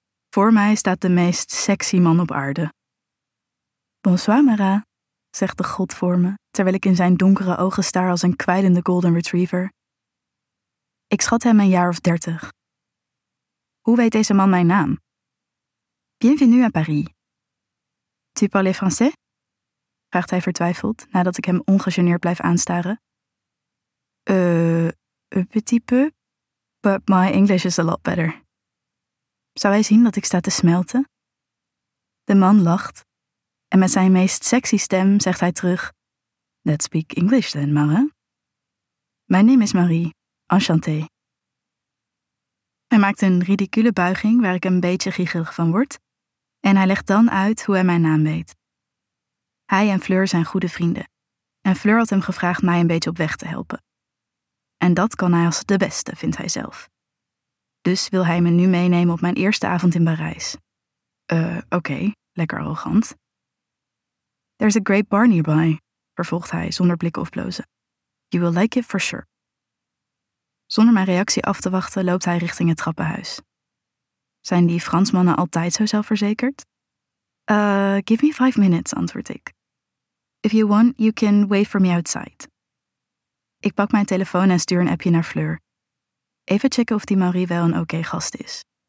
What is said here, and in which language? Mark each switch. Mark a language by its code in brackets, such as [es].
[nl] Voor mij staat de meest sexy man op aarde. Bonsoir, Mara, zegt de god voor me, terwijl ik in zijn donkere ogen staar als een kwijlende golden retriever. Ik schat hem 30 jaar. Hoe weet deze man mijn naam? [fr] Bienvenue à Paris. Tu parles français? [nl] Vraagt hij vertwijfeld, nadat ik hem ongegeneerd blijf aanstaren. [fr] Un petit peu, [en] but my English is a lot better. Zou hij zien dat ik sta te smelten? De man lacht en met zijn meest sexy stem zegt hij terug. Let's speak English then, Mara. My name is Marie, enchantée. [nl] Hij maakt een ridicule buiging waar ik een beetje giechelig van word. En hij legt dan uit hoe hij mijn naam weet. Hij en Fleur zijn goede vrienden. En Fleur had hem gevraagd mij een beetje op weg te helpen. En dat kan hij als de beste, vindt hij zelf. Dus wil hij me nu meenemen op mijn eerste avond in Parijs. Oké, lekker arrogant. [en] There's a great bar nearby, [nl] vervolgt hij zonder blikken of blozen. [en] You will like it for sure. [nl] Zonder mijn reactie af te wachten loopt hij richting het trappenhuis. Zijn die Fransmannen altijd zo zelfverzekerd? [en] Give me 5 minutes, [nl] antwoord ik. [en] If you want, you can wait for me outside. [nl] Ik pak mijn telefoon en stuur een appje naar Fleur. Even checken of die Marie wel een oké gast is.